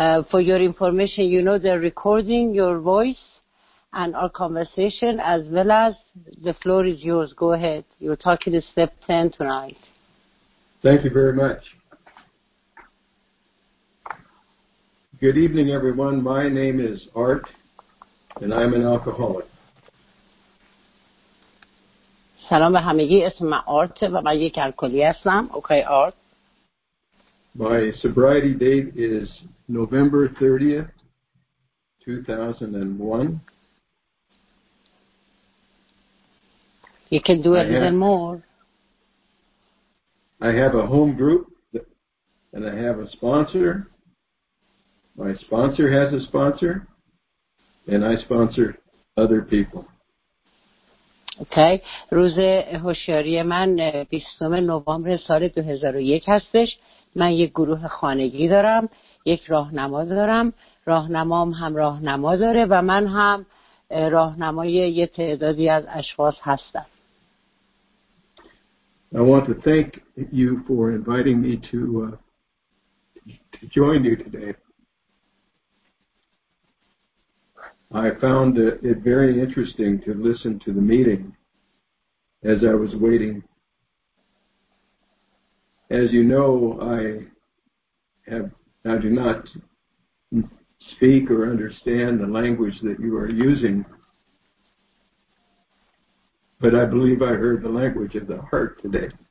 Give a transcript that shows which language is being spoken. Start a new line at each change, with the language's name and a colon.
English: For your information, you know they're recording your voice and our conversation as well as the floor is yours. Go ahead. You're talking to step 10 tonight. Thank you very much. Good evening, everyone. My name is Art and I'm an alcoholic.
Persian: سلام به همگی، اسم من آرت و من یک الکلی هستم. اوکی آرت.
English: My sobriety date is November 30th, 2001. You can do it even more. I have a home group and I have a sponsor. My sponsor has a sponsor and I sponsor other people. Okay.
Persian: روز هوشیاری من 20 نوامبر سال 2001 هستش. من یک گروه خانگی دارم، یک راهنما دارم، راهنمام هم راهنما داره و من هم راهنمای یه تعدادی از اشخاص هستم.
English: I want to thank you for inviting me to join you today. I found it very interesting to listen to the meeting. As I was waiting, as you know, I do not speak or understand the language that you are using, but I believe I heard the language of the heart today.